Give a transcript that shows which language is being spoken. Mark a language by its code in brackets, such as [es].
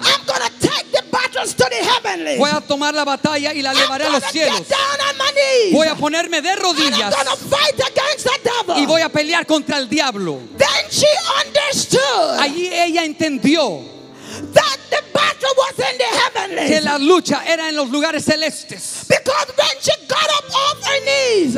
[en] I'm gonna take the battles to the heavenlies. [es] Voy a tomar la batalla y la llevaré a los cielos. [en] Get down on my knees. [es] Voy a ponerme de rodillas. [en] And I'm gonna fight against the devil. [es] Y voy a pelear contra el diablo. [en] Then she understood. [es] Allí ella entendió. [en] that the battle was in the heavenlies. [es] Que la lucha era en los lugares celestes. [en] Because when she got up off her knees,